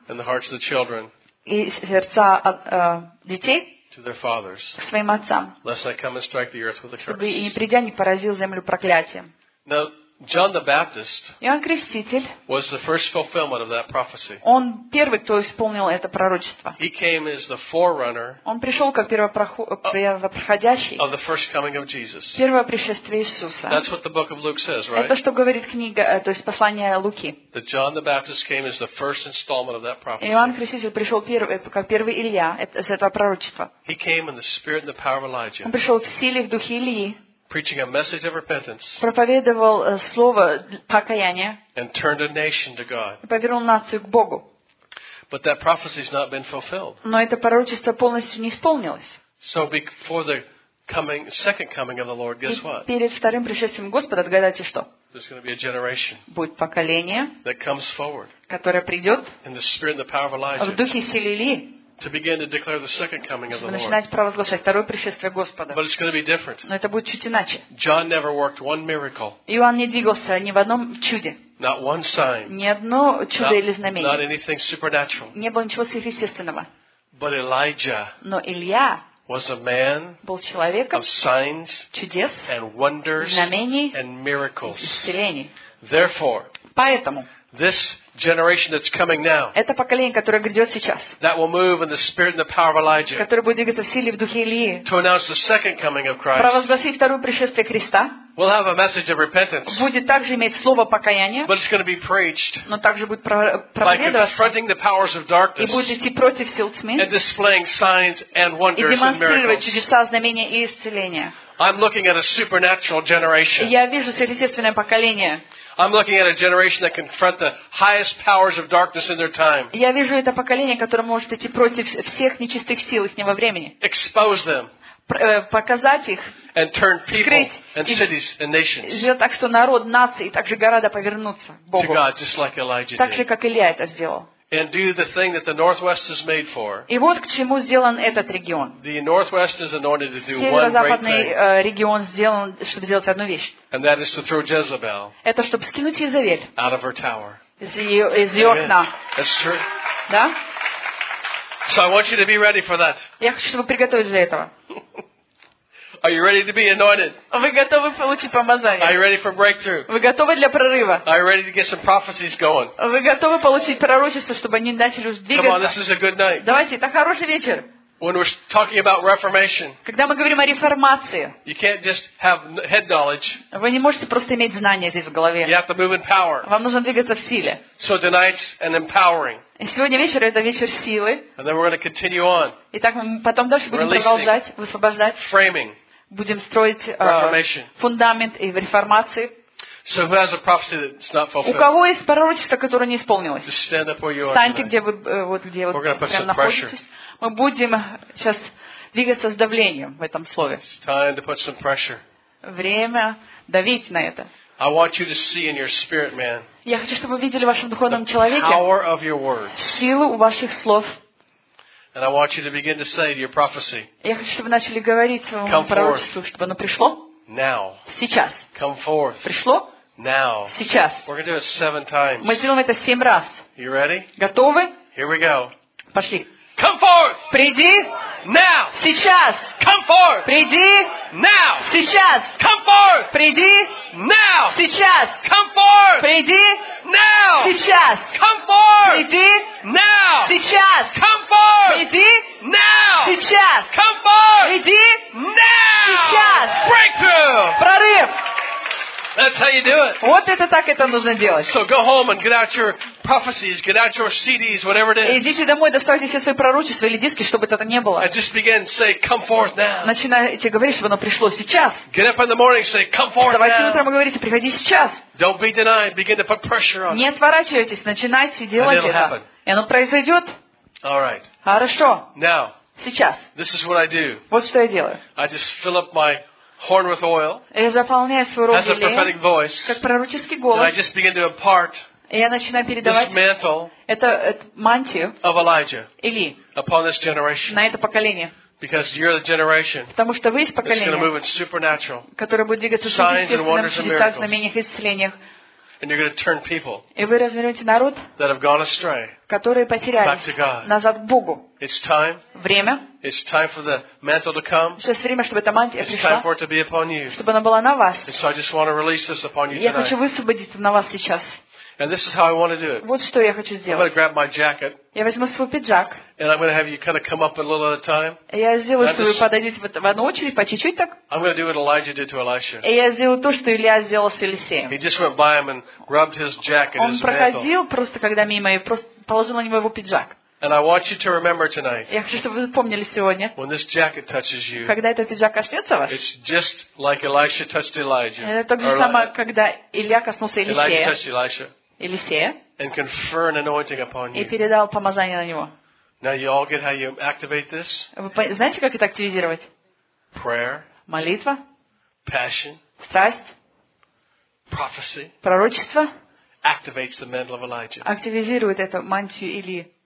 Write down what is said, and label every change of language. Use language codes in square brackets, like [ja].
[en] And the hearts of the children. [ru] И сердца детей. [en] To their fathers. [ru] К своим отцам. [en] Lest I come and strike the earth with a curse. [ru] Чтобы и не придя, не поразил землю проклятием. [en] Now, John the Baptist. [ru] Иоанн Креститель. [en] Was the first fulfillment of that prophecy. [ru] Он первый, кто исполнил это пророчество. [en] He came as the forerunner. [ru] Он пришел как первопроходящий. [en] Of the first coming of Jesus. [ru] Первое пришествие Иисуса. [en] That's what the book of Luke says, right? [ru] Это что говорит книга, то есть послание Луки. [en] That John the Baptist came as the first installment of that prophecy. [ru] Иоанн Креститель пришел первый, как первый Илья, с этого пророчества. [en] He came in the spirit and the power of Elijah. [ru] Он пришел в силе, в духе Илии. [en] Preaching a message of repentance. [ru] Проповедовал слово покаяния. [en] And turned a nation to God. [ru] Повернул нацию к Богу. [en] But that prophecy has not been fulfilled. [ru] Но это пророчество полностью не исполнилось. [en] So before the coming, second coming of the Lord, guess what? [ru] Перед вторым пришествием Господа, отгадайте что? [en] There's going to be a generation. [ru] Будет поколение. [en] That comes forward. [ru] Которое придет. [en] In the spirit and the power of Elijah. [ru] В духе силы Илии. [en] To begin to declare the second coming of the Lord. [ru] Начинать провозглашать второе пришествие Господа. [en] But it's going to be different. [ru] Но это будет чуть иначе. [en] John never worked one miracle. [ru] Иоанн не двигался ни в одном чуде. [en] Not one sign. [ru] Ни одно чудо или знамение. [en] Not anything supernatural. [ru] Не было ничего сверхъестественного. [en] But Elijah. [ru] Но Илия. [en] Was a man. [ru] Был человеком. [en] Of signs. [ru] Чудес. [en] And wonders. [ru] Знамений. [en] And miracles. [ru] Исцелений. [en] Therefore. [ru] Поэтому. [en] This generation that's coming now. [ru] Это поколение, которое грядет сейчас. [en] That will move in the spirit and the power of Elijah. [ru] Которое будет двигаться в силе и в духе Илии. [en] To announce the second coming of Christ. [ru] Провозгласить второе пришествие Христа. [en] We'll have a message of repentance. [ru] Будет также иметь слово покаяния. [en] But it's going to be preached. [ru] Но также будет проповедоваться. [en] By confronting the powers of darkness. [ru] И будет идти против сил тьмы. [en] And displaying signs and wonders and miracles. [ru] И демонстрировать чудеса, знамения и исцеления. [en] I'm looking at a supernatural generation. [ru] Я вижу сверхъестественное поколение. [en] I'm looking at a generation that confront the highest powers of darkness in their time. [ru] Я вижу это поколение, которое может идти против всех нечистых сил их времени. [en] Expose them. [ru] Показать их. [en] And turn people and cities and nations. [ru] Сделать так, что народ, нации и также города повернутся к Богу. [en] To God, just like Elijah did. [ru] Так же, как Илия это сделал. [en] And do the thing that the Northwest is made for. [ru] И вот к чему сделан этот регион. [en] The Northwest is anointed to do one great thing. [ru] Северо-западный регион сделан, чтобы сделать одну вещь. [en] And that is to throw Jezebel. [ru] Это чтобы скинуть Иезавель. [en] Out of her tower. [ru] Из ее окна. [en] That's true. [ru] Да? [en] So I want you to be ready for that. [ru] Я хочу, чтобы вы приготовились для этого. [en] Are you ready to be anointed? [ru] Вы готовы получить помазание? [en] Are you ready for breakthrough? [ru] Вы готовы для прорыва? [en] Are you ready to get some prophecies going? [ru] Вы готовы получить пророчество, чтобы они начали уже двигаться? [en] Come on, this is a good night. [ru] Давайте, это хороший вечер. [en] When we're talking about reformation, [ru] когда мы говорим о реформации, [en] you can't just have head knowledge. [ru] Вы не можете просто иметь знания здесь в голове. [en] You have to move in power. [ru] Вам нужно двигаться в силе. [en] So tonight's an empowering. [ru] И сегодня вечер это вечер силы. [en] And then we're going to continue on. [ru] Итак, мы потом дальше будем продолжать, высвобождать. [en] Framing. [ru] Будем строить фундамент и в реформации. [en] So who has a prophecy that's not fulfilled? [ru] У кого есть пророчество, которое не исполнилось? [en] Just stand up where you are. [ru] Встаньте, где вы вот где вот прям находитесь. Мы будем сейчас двигаться с давлением в этом слове. [en] It's time to put some pressure. [ru] Время давить на это. [en] I want you to see in your spirit, man. [ru] Я хочу, чтобы вы видели в вашем духовном человеке. [en] Power of your words. [ru] Силу ваших слов. [en] And I want you to begin to say to your prophecy. [ru] Я хочу, чтобы вы начали говорить своему пророчеству, чтобы оно пришло. [en] Now. [ru] Сейчас. [en] Come forth. [ru] Пришло. [en] Now. [ru] Сейчас. [en] We're going to do it 7 times. [ru] Мы сделаем это 7 раз. [en] You ready? [ru] Готовы? [en] Here we go. [ru] Пошли. [en] Come forth. [ru] Приди. [en] Now. [ru] Сейчас. [en] Come forth. [ru] Приди. [en] Now. [ru] Сейчас. [en] Come forth. [ru] Приди. [en] Now. [ru] Сейчас. [en] Come forth. [ru] Приди. [en] Now. [ru] Сейчас. [en] Come forth. [ru] Приди. [en] Now. [ru] Сейчас. [en] Come forth. [ru] Приди. [en] Now. [ru] Сейчас. [en] Come forth. [ru] Приди. [en] Now. [ru] Сейчас. [en] Breakthrough. [ru] Прорыв. [en] That's how you do it. [ru] Вот это так это нужно делать. [en] So go home and get out your prophecies, get out your CDs, whatever it is. [ru] Идите домой, достаньте все свои пророчества или диски, чтобы это не было. [en] And just begin say, come forth now. [ru] Начинайте говорить, чтобы оно пришло сейчас. [en] Get up in the morning, say, come forth now. [ru] Вставайте утром и говорите, приходи сейчас. [en] Don't be denied, begin to put pressure on. [ru] Не отворачивайтесь, начинайте делать это. И оно произойдет. [en] All right. [ru] Хорошо. [en] Now. [ru] Сейчас. [en] This is what I do. [ru] Вот что я делаю. [en] I just fill up my horn with oil. [ru] Я заполняю свой рот [en] as a prophetic voice. [ru] Как пророческий голос. [en] And I just begin to impart. [ru] Я начинаю передавать. [en] This mantle. [ru] Это мантию. [en] Of Elijah. [ru] Или. [en] Upon this generation. [ru] На это поколение. [en] Because you're the generation. [ru] Потому что вы из поколения. [en] That's going to move in supernatural. [ru] Которое будет двигаться в сверхъестественных знамениях и исцелениях. [en] And you're going to turn people. [ru] И вы развернете народ. [en] That have gone astray. [ru] Которые потерялись. [en] Back to God. [ru] Назад к Богу. [en] It's time. [ru] Время. [en] It's time for the mantle to come. [ru] Сейчас время, чтобы эта мантия пришла. [en] It's time for it to be upon you. [ru] Чтобы она была на вас. [en] And so I just want to release this upon you tonight. [ru] Я хочу высвободить это на вас сейчас. [en] And this is how I want to do it. [ru] Вот что я хочу сделать. [en] I'm going to grab my jacket. [ru] Я возьму свой пиджак. [en] And I'm going to have you kind of come up a little at a time. [ru] Я сделаю, что вы подойдете в одну очередь, по чуть-чуть так. [en] I'm going to do what Elijah did to Elisha. [ru] И я сделаю то, что Илия сделал с Елисеем. [en] He just went by him and rubbed his jacket, his mantle. [ru] Он проходил просто, когда мимо, и просто положил на него его пиджак. [en] And I want you to remember tonight. [ru] Я хочу, чтобы вы помнили сегодня. [en] When this jacket touches you. [ru] Когда этот пиджак коснется вас. [en] It's just like Elisha touched Elijah. [ru] Это то же самое, когда Илия коснулся Елисея. [en] Elijah touched Elisha. [ru] Елисея [en] and confer an anointing upon you. [ru] И передал помазание на него. [en] Now you all get how you activate this? [ru] Вы знаете, как это активизировать? [en] Prayer. [ru] Молитва. [en] Passion. [ru] Страсть. [en] Prophecy. [ru] Пророчество. [en] Activates the mantle of Elijah. [ru] Активизирует эту мантию Илии.